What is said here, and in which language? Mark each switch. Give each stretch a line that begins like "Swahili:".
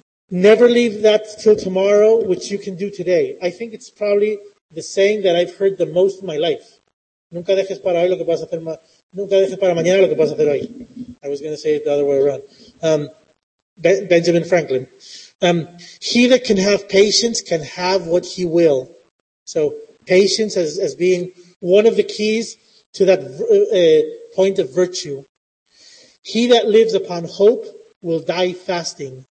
English: Never leave that till tomorrow, which you can do today. I think it's probably the saying that I've heard the most in my life.
Spanish: Nunca dejes para hoy lo que vas a hacer nunca dejes para mañana lo que vas a hacer hoy.
English: I was going to say it the other way around. Benjamin Franklin. He that can have patience can have what he will. So patience as being one of the keys to that point of virtue. He that lives upon hope will die fasting.